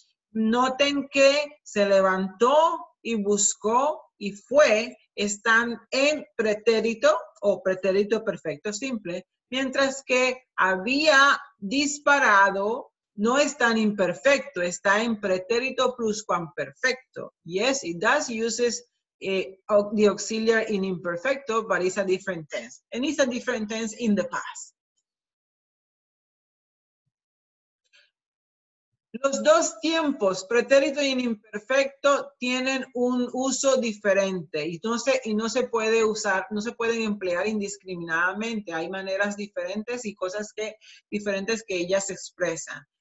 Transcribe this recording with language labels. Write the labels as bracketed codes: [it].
[es] Noten que se levantó y buscó y fue, están en pretérito o pretérito perfecto simple, mientras que había disparado no es tan imperfecto, está en pretérito pluscuamperfecto. [en] Yes, it does uses the auxiliary in imperfecto, but it's a different tense. And it's a different tense in the past. [es] Los dos tiempos, pretérito y imperfecto, tienen un uso diferente y no se pueden emplear indiscriminadamente. Hay maneras diferentes y cosas diferentes que ellas expresan.